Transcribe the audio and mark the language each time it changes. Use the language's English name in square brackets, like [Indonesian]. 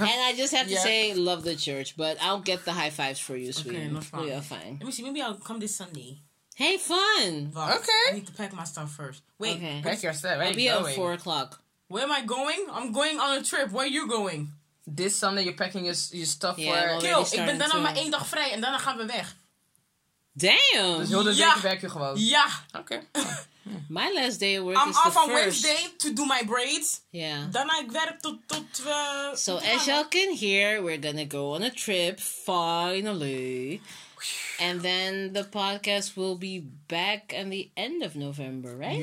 [English] And I just have to say, love the church, but I'll get the high fives for you, sweetie. Okay, we are fine. Let me see. Maybe I'll come this Sunday. Hey, fun. But okay. I need to pack my stuff first. Wait. Okay. Pack your stuff. I'll be at 4 o'clock. Where am I going? I'm going on a trip. Where are you going? This Sunday you're packing your stuff for... [Dutch] Kill, ik ben dan nog maar 1 dag vrij en daarna gaan we weg. [English] Damn! [Dutch] Dus heel de week werk je gewoon. Ja! Oké. [English] My last day of work I'm is the first. I'm off on Wednesday to do my braids. Yeah. Then I [Dutch] werk tot... [English] So as y'all can hear, we're gonna go on a trip, finally. And then the podcast will be back at the end of November, right?